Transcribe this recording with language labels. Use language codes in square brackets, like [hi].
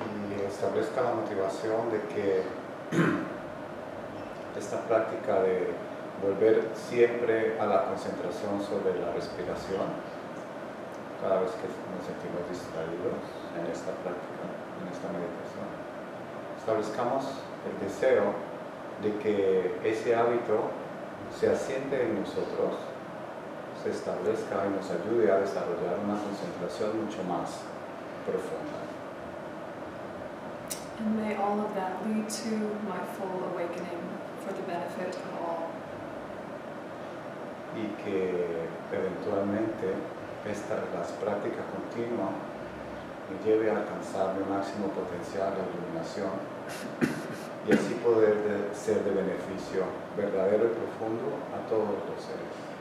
[es] Y establezca la motivación de que esta práctica de volver siempre a la concentración sobre la respiración, cada vez que nos sentimos distraídos en esta práctica, en esta meditación, establezcamos el deseo de que ese hábito se asiente en nosotros, se establezca y nos ayude a desarrollar una concentración mucho más profunda. [en] And may all of that lead to my full awakening for the benefit of all. [es] Y que eventualmente esta las práctica continua me lleve a alcanzar mi máximo potencial de iluminación y así poder ser de beneficio verdadero y profundo a todos los seres.